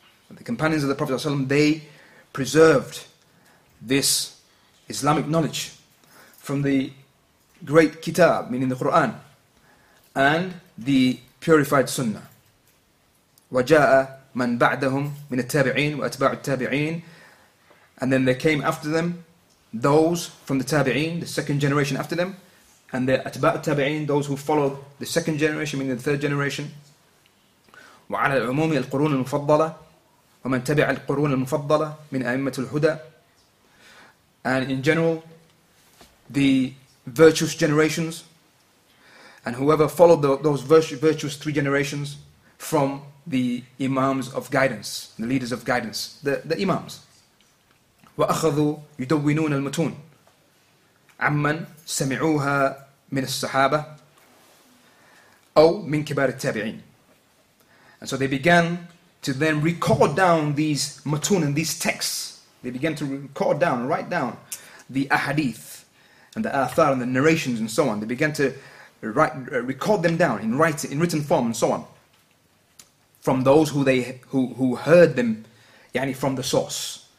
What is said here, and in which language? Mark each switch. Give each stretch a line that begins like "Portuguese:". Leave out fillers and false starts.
English: The companions of the Prophet ﷺ, they preserved this Islamic knowledge from the great kitab, meaning the Qur'an, and the purified sunnah.
Arabic: وَجَاءَ مَنْ بَعْدَهُمْ مِنَ التَّابِعِينَ وَأَتْبَاعُ التَّابِعِينَ.
English: And then they came after them, those from the tabi'een, the second generation after them, and the atba' tabi'een, those who followed the second generation, meaning the third generation.
Arabic: وعلى العموم القرون المفضلة ومن تبع القرون المفضلة من أئمة الهدى.
English: And in general, the virtuous generations, and whoever followed those virtuous three generations from the imams of guidance, the leaders of guidance, the imams.
Arabic: وأخذوا يدونون المتون عمن سمعوها من الصحابة أو من كبار التابعين.
English: And so they began to then record down these matun and these texts. They began to record down, write down the ahadith and the athar and the narrations and so on. They began to record them down in written form and so on, from those who heard them, yani from the source.